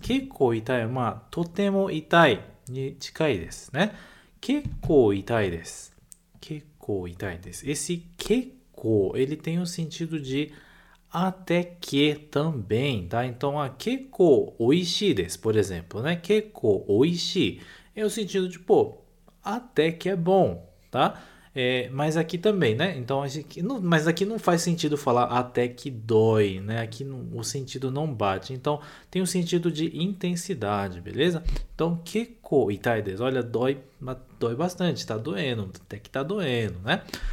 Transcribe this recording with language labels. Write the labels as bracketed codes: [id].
[ja] 結構痛いは、まあ、とても痛いに近いですね。結構痛いです。結構痛いです。 [pt] Esse 結構、ele tem o sentido de até que também, tá? [ja] Então, 結構美味しいです。 [pt] Por exemplo, né? [ja] 結構美味しい。 [pt] É o sentido de, pô, até que é bom, tá? É, mas aqui também, né? Então, mas aqui não faz sentido falar até que dói, né? Aqui não, o sentido não bate. Então, tem um sentido de intensidade, beleza? Então, [ja] que co itai des? [pt] Olha, dói bastante, tá doendo, até que tá doendo, né?